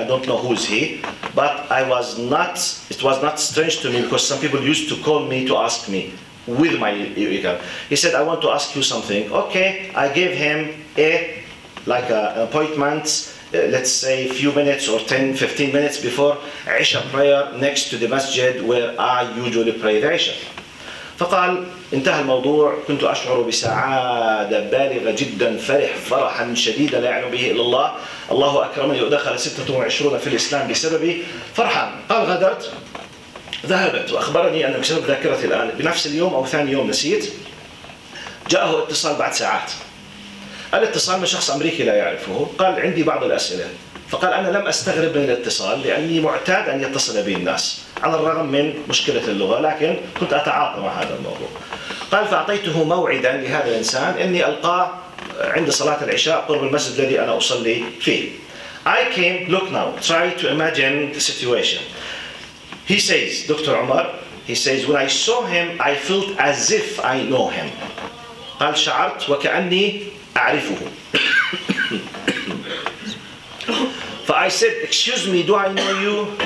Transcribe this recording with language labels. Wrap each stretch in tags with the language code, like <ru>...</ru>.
<en>I don't know who is he, but it was not strange to me because some people used to call me to ask me with my Eureka. He said, I want to ask you something. Okay, I gave him an appointment, let's say a few minutes or 10, 15 minutes before Isha prayer next to the masjid where I usually pray the Isha.</en> <ar>فقال انتهى الموضوع كنت أشعر بسعادة بالغة جدا فرح فرحا شديدا لا يعلم به إلا الله الله أكرمني ودخل 26 في الإسلام بسببي فرحا قال غدرت ذهبت وأخبرني أن بسبب ذاكرتي الآن بنفس اليوم أو ثاني يوم نسيت جاءه اتصال بعد ساعات الاتصال من شخص أمريكي لا يعرفه قال عندي بعض الأسئلة فقال أنا لم أستغرب من الاتصال لأني معتاد أن يتصل بي الناس على الرغم من مشكلة اللغة لكن كنت أتعاطى مع هذا الموضوع قال فأعطيته موعدا لهذا الإنسان أني ألقاه عند صلاة العشاء قرب المسجد الذي أنا أصلي فيه</ar> <en>I came, look now, try to imagine the situation He says, Dr. Omar, he says, when I saw him, I felt as if I know him.</en> <ar>قال شعرت وكأني أعرفه.</ar> <en>I said, excuse me, do I know you?</en>